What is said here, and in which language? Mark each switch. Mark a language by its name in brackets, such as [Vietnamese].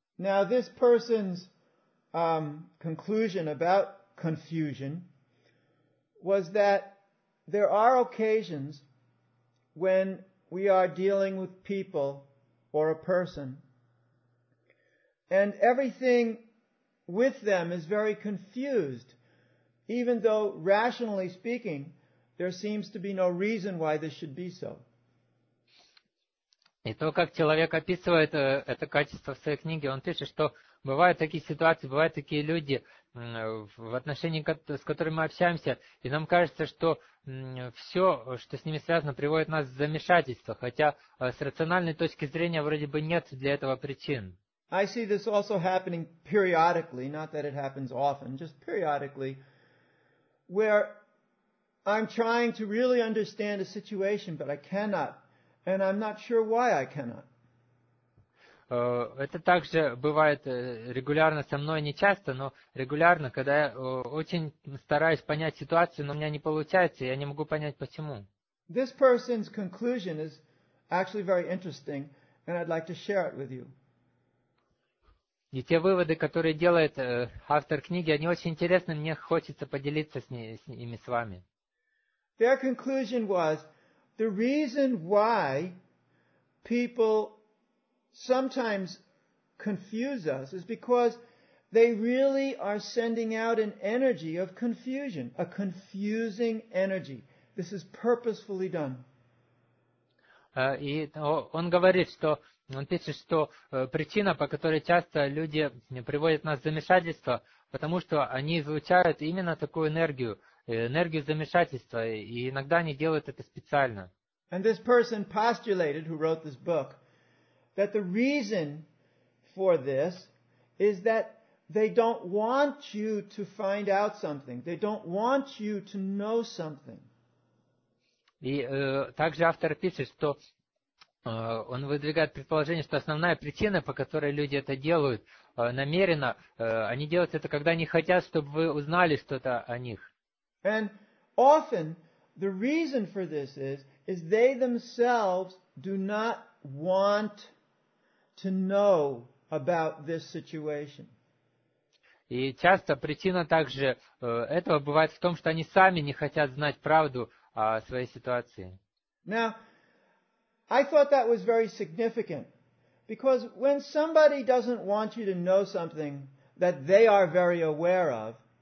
[English] Now, this person's conclusion about confusion was that there are occasions when we are dealing with people or a person, and everything with them is very confused, even though, rationally speaking, there seems to be no reason why this should be so. [Russian] И то, как человек описывает это качество в своей книге, он пишет, что бывают такие ситуации, бывают такие люди, в отношении с которыми мы общаемся, и нам кажется, что все, что с ними связано, приводит нас в замешательство, хотя с рациональной точки зрения вроде бы нет для этого причин. [English] I see this also happening periodically, not that it happens often, just periodically, where I'm trying to really understand a situation, but I cannot. And I'm not sure why I cannot. [Russian] Это также бывает регулярно со мной, не часто, но регулярно, когда я очень стараюсь понять ситуацию, но у меня не получается, я не могу понять почему. [English] This person's conclusion is actually very interesting, and I'd like to share it with you. [Russian] И те выводы, которые делает автор книги, они очень интересны, мне хочется поделиться ими с вами. [English] Their conclusion was: the reason why people sometimes confuse us is because they really are sending out an energy of confusion, a confusing energy. This is purposefully done. [Russian] И он говорит, что он пишет, что причина, по которой часто люди приводят нас в замешательство, потому что они излучают именно такую энергию, энергию замешательства, и иногда они делают это специально. [English] And this person postulated, who wrote this book, that the reason for this is that they don't want you to find out something. They don't want you to know something. [Russian] И также автор пишет, что он выдвигает предположение, что основная причина, по которой люди это делают намеренно, они делают это, когда не хотят, чтобы вы узнали что-то о них. [English] And often the reason for this is they themselves do not want to know about this situation. [Russian] И часто причина также этого бывает в том, что они сами не хотят знать правду о своей ситуации. [English] Now, I thought that was very significant, because when somebody doesn't want you to know something that they are very aware of,